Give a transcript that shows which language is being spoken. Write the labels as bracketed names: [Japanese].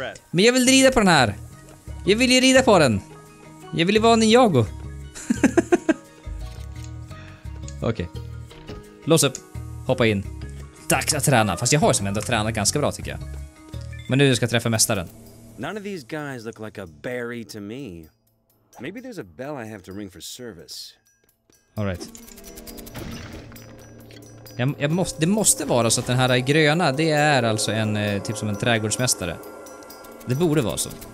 [Swedish] Men jag vill rida på den här. Jag vill ju rida på den. Jag vill ju vara Ninjago. Okej. Okay. Lås upp. Hoppa in. Dags att träna. Fast jag har ju som ändå tränat ganska bra, tycker jag. Men nu ska jag träffa mästaren. [English] None of these guys look like a berry to me. Maybe there's a bell I have to ring for service. All right. [Swedish] Det måste vara så att den här gröna, det är alltså en typ som en trädgårdsmästare. Det borde vara så.